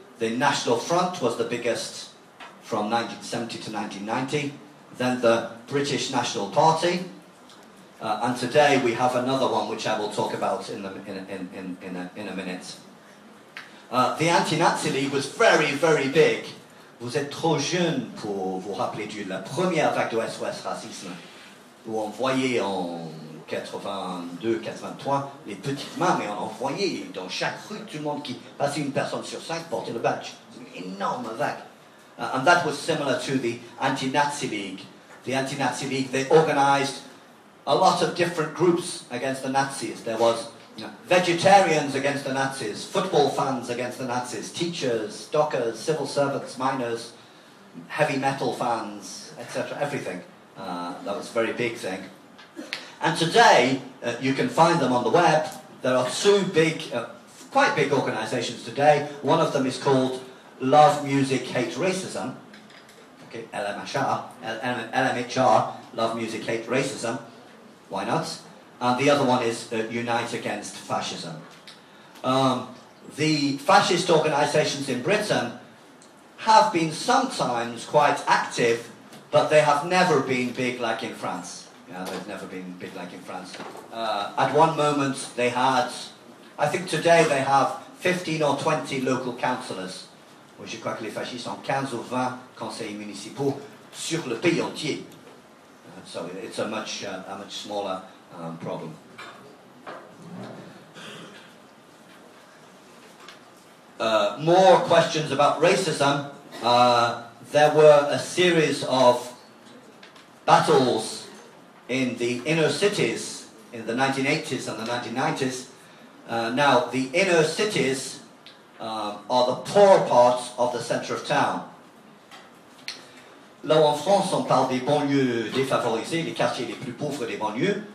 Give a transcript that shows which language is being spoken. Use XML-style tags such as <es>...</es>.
<en>The National Front was the biggest from 1970 to 1990, then the British National Party, and today we have another one which I will talk about in a minute. The Anti-Nazi League was very, very big.</en> <fr>Vous êtes trop jeune pour vous rappeler de la première vague de SOS racisme, où on voyait en 82, 83 les petites mains, mais on en voyait dans chaque rue tout le monde qui passait, une personne sur cinq portait le badge. C'est une énorme vague.</fr> <en>And that was similar to the Anti-Nazi League. The Anti-Nazi League, they organized a lot of different groups against the Nazis. There was vegetarians against the Nazis, football fans against the Nazis, teachers, dockers, civil servants, miners, heavy metal fans, etc., everything. That was a very big thing. And today, you can find them on the web. There are two big, quite big organizations today. One of them is called Love Music Hate Racism, okay, LMHR, Love Music Hate Racism, why not? And the other one is Unite Against Fascism. The fascist organizations in Britain have been sometimes quite active, but they have never been big like in France. Yeah, they've never been big like in France. At one moment they had, I think today they have 15 or 20 local councillors.</en> <fr>Moi, je crois que les fascistes ont 15 ou 20 conseillers municipaux sur le pays entier.</fr> <en>So it's a much smaller problem. More questions about racism. There were a series of battles in the inner cities in the 1980s and the 1990s. Now, the inner cities are the poor parts of the center of town.</en> <fr>Là, en France, on parle des banlieues défavorisées, les quartiers les plus pauvres des banlieues.</fr>